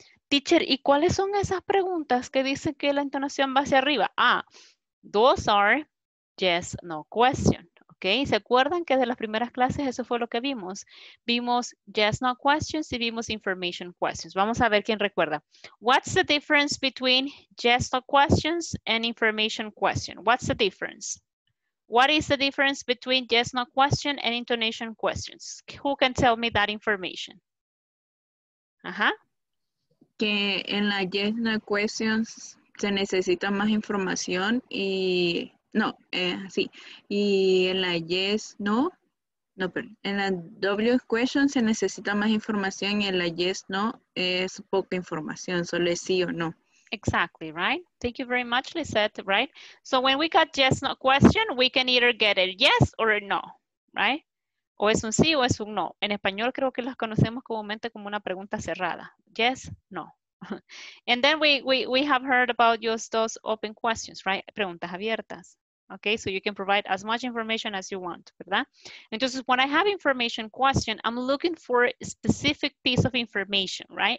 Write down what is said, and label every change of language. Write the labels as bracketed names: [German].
[Spanish] Teacher, ¿y cuáles son esas preguntas que dicen que la entonación va hacia arriba? [English] Ah, those are yes, no question. [Spanish] Okay, ¿se acuerdan que de las primeras clases eso fue lo que vimos? Vimos yes, no questions y vimos information questions. Vamos a ver quién recuerda. [English] What's the difference between yes, no questions and information question? What's the difference? What is the difference between yes, no question and intonation questions? Who can tell me that information? Uh-huh. [Spanish] Que en la yes, no questions se necesita más información y... No, sí. Y en la yes, no. No, pero en la W question se necesita más información y en la yes, no, es poca información, solo es sí o no. [English] Exactly, right? Thank you very much, Lisette, right? So when we got yes, no question, we can either get a yes or a no, right? [Spanish] O es un sí o es un no. En español creo que las conocemos comúnmente como una pregunta cerrada. [English] Yes, no. And then we have heard about just those open questions, right? [Spanish] Preguntas abiertas. [English] Okay, so you can provide as much information as you want, ¿verdad? Entonces, when I have information question, I'm looking for a specific piece of information, right?